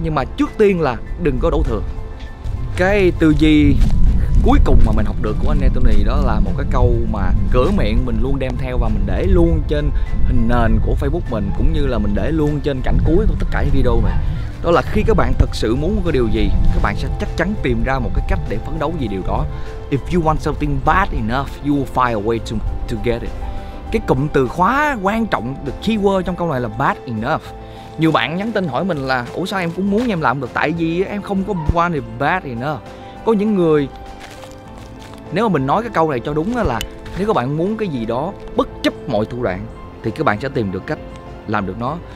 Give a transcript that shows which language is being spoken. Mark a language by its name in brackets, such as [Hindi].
[Vietnamese] Nhưng mà trước tiên là đừng có đổ thừa. Cái tư duy cuối cùng mà mình học được của anh Anthony đó là một cái câu mà cửa miệng mình luôn đem theo và mình để luôn trên hình nền của Facebook mình, cũng như là mình để luôn trên cảnh cuối của tất cả những video này. Đó là khi các bạn thực sự muốn có điều gì, các bạn sẽ chắc chắn tìm ra một cái cách để phấn đấu vì điều đó. [English] If you want something bad enough, you will find a way to get it. [Vietnamese] Cái cụm từ khóa quan trọng, [English] the keyword [Vietnamese] trong câu này là bad enough. Nhiều bạn nhắn tin hỏi mình là ủa sao em cũng muốn em làm được, tại vì em không có [English] want it bad enough. [Vietnamese] Có những người, nếu mà mình nói cái câu này cho đúng đó là, nếu các bạn muốn cái gì đó bất chấp mọi thủ đoạn thì các bạn sẽ tìm được cách làm được nó.